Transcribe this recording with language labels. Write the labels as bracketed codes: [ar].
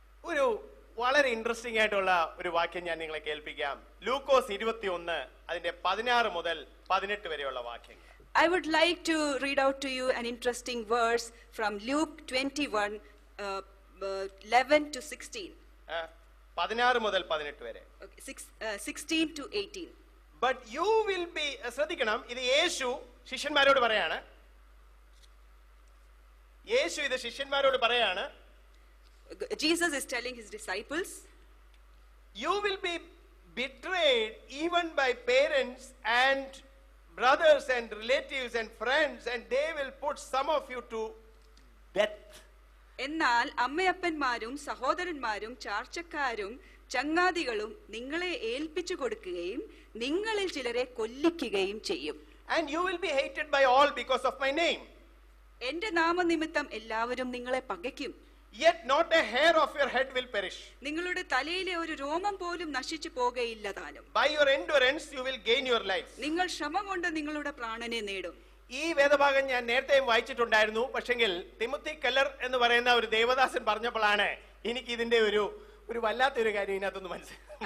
[ml] ഒരു വളരെ ഇൻട്രസ്റ്റിംഗ് ആയിട്ടുള്ള ഒരു വാക്യം ഞാൻ നിങ്ങളെ കേൾപ്പിക്കാം. ലൂക്കോസ് 21 അതിന്റെ 16 മുതൽ 18 വരെയുള്ള വാക്യങ്ങൾ. [en] I would like to read out to you an interesting verse from Luke 21 11 to 16. [ml] 16 മുതൽ 18 വരെ. [en] 16 to 18. But you will be [ml] ശ്രദ്ധിക്കണം, ഇത് യേശു ശിഷ്യന്മാരോട് പറയാണ്. യേശു ഇത് ശിഷ്യന്മാരോട് പറയാണ്. [en] Jesus is telling his disciples, you will be betrayed even by parents and brothers and relatives and friends, and they will put some of you to death. [ml] എന്നാൽ അമ്മയപ്പന്മാരും സഹോദരന്മാരും ചാർച്ചക്കാരും ചങ്ങാതികളും നിങ്ങളെ ഏൽപ്പിച്ചു കൊടുക്കുകയും നിങ്ങളിൽ ചിലരെ കൊല്ലിക്കുകയും ചെയ്യും. [en] And you will be hated by all because of my name. [ml] എന്റെ നാമനിമിത്തം എല്ലാവരും നിങ്ങളെ പകയ്ക്കും. [en] Yet not a hair of your head will perish. [ml] നിങ്ങളുടെ തലയിലെ ഒരു രോമം പോലും നശിച്ചു പോകയില്ല താനും. [en] By your endurance you will gain your life. [ml] നിങ്ങൾ ശ്രമം കൊണ്ട് നിങ്ങളുടെ പ്രാണനെ നേടും. ഈ വേദഭാഗം ഞാൻ നേരത്തെയും വായിച്ചിട്ടുണ്ടായിരുന്നു. പക്ഷേങ്കിൽ തിമോത്തി കെല്ലർ എന്ന് പറയുന്ന ഒരു ദേവദാസൻ പറഞ്ഞപ്പോഴാണ് എനിക്ക് ഇതിന്റെ ഒരു ഒരു വല്ലാത്തൊരു കാര്യം ഇതിനകത്തൊന്ന് മനസ്സിലായി.